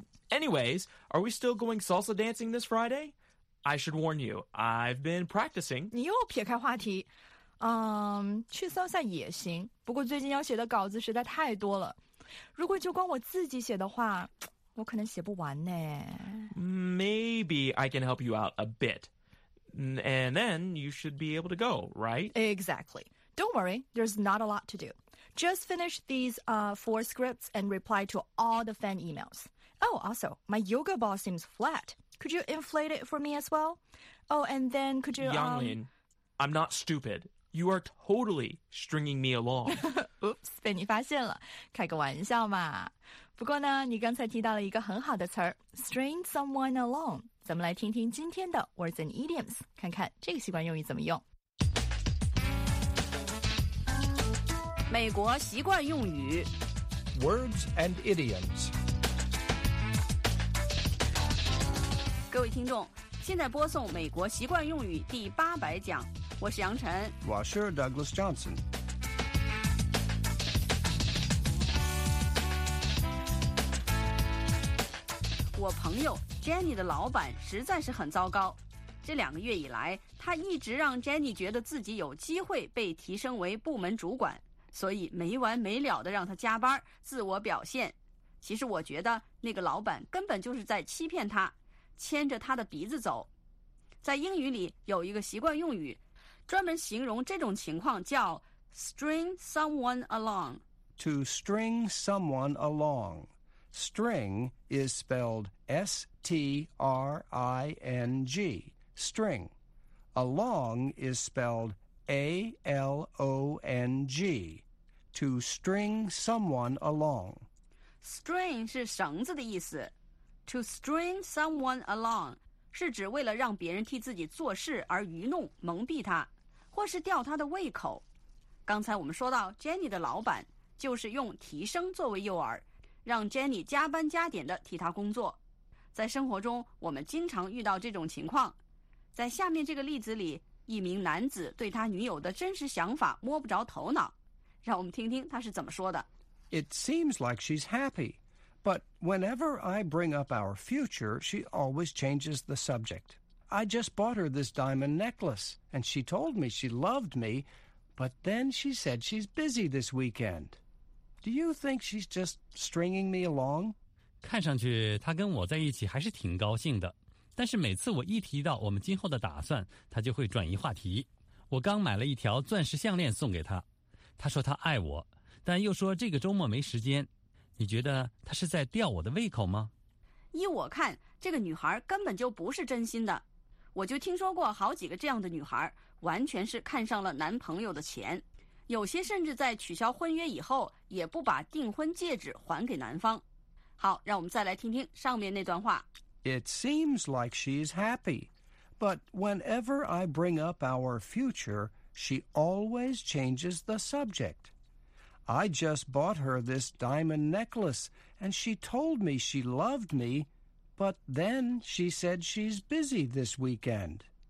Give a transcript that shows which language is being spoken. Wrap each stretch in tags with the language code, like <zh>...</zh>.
<en>Anyways, are we still going salsa dancing this Friday? I should warn you, I've been practicing.</en> <zh>你又撇开话题。去搜一下也行，不过最近要写的稿子实在太多了。如果就光我自己写的话，我可能写不完呢。</zh> <en>Maybe I can help you out a bit. And then you should be able to go, right? Exactly. Don't worry, there's not a lot to do. Just finish these four scripts and reply to all the fan emails. Oh, also, my yoga ball seems flat. Could you inflate it for me as well? Oh, and then could you... Yanglin, I'm not stupid. You are totally stringing me along. Oops,</en> <zh>被你发现了。开个玩笑嘛。不过呢，你刚才提到了一个很好的词儿</zh> <en>string someone along.</en> <zh>咱们来听听今天的</zh> <en>words and idioms,</en> <zh>看看这个习惯用语怎么用。美国习惯用语</zh> <en>Words and idioms.</en> <zh>各位听众，现在播送美国习惯用语第800讲，我是杨晨。我是 Douglas Johnson。我朋友 Jenny 的老板实在是很糟糕，这两个月以来他一直让 Jenny 觉得自己有机会被提升为部门主管，所以没完没了的让他加班自我表现。其实我觉得那个老板根本就是在欺骗他，牵着他的鼻子走。在英语里有一个习惯用语专门形容这种情况，叫</zh> <en>string someone along. To string someone along. String is spelled S-T-R-I-N-G. String. Along is spelled A-L-O-N-G. To string someone along.</en> <zh>String 是绳子的意思，</zh> <en>To string someone along</en> <zh>是指为了让别人替自己做事而愚弄蒙蔽他，或是吊他的胃口。刚才我们说到 Jenny 的老板就是用提升作为诱饵，让 Jenny 加班加点的替他工作。在生活中我们经常遇到这种情况，在下面这个例子里，一名男子对他女友的真实想法摸不着头脑，让我们听听他是怎么说的。</zh> <en>It seems like she's happyBut whenever I bring up our future, she always changes the subject. I just bought her this diamond necklace, and she told me she loved me, but then she said she's busy this weekend. Do you think she's just stringing me along?</en> <zh>看上去她跟我在一起还是挺高兴的，但是每次我一提到我们今后的打算，她就会转移话题。我刚买了一条钻石项链送给她，她说她爱我，但又说这个周末没时间。你觉得她是在吊我的胃口吗？依我看，这个女孩根本就不是真心的。我就听说过好几个这样的女孩，完全是看上了男朋友的钱，有些甚至在取消婚约以后也不把订婚戒指还给男方。好，让我们再来听听上面那段话。</zh> <en>It seems like she is happy, but whenever I bring up our future, she always changes the subject. I just bought her this diamond necklace, and she told me she loved me, but then she said she's busy this weekend.</en>